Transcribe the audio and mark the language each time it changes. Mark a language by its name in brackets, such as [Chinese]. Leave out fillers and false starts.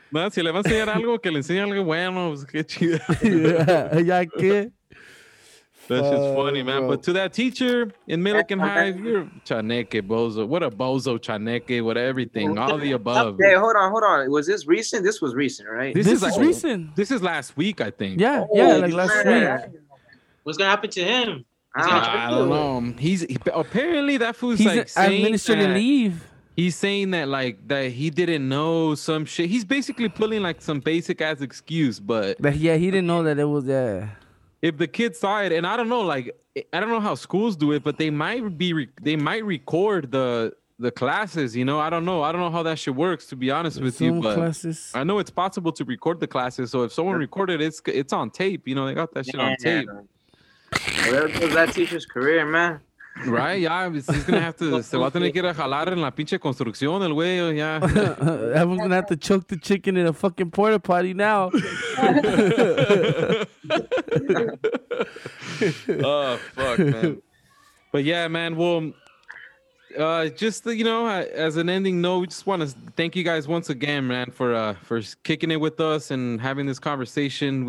[Spanish] No, si le va a enseñar algo, que le enseñe algo bueno, pues qué chido. Ya que. [English] That's just funny, man. Bro. But to that teacher in Millikan High, you're chaneque, bozo. What a bozo, chaneque, what everything, all the above. Hey, hold on. Was this recent? This was recent, right? This is recent. This is last week, I think. Yeah, last week. What's going to happen to him? I don't know. Apparently, that fool's he's like saying administrative leave. He's saying that, like, that he didn't know some shit. He's basically pulling, like, some basic-ass excuse, but yeah, he didn't know that it was, yeah. If the kids saw it, and I don't know, like, I don't know how schools do it, but they might record the classes, you know? I don't know how that shit works, to be honest with you, but classes. I know it's possible to record the classes, so if someone recorded it, it's on tape, you know? They got that shit on tape. Yeah, well, that was that teacher's career, man. Right, yeah, he's gonna have to. [Spanish] Se va a tener que ir a jalar en la pinche construcción, el güey. [English] Yeah, I'm gonna have to choke the chicken in a fucking porta potty now. Oh, fuck, man. But yeah, man. Well, just, you know, as an ending note, we just want to thank you guys once again, man, for kicking it with us and having this conversation.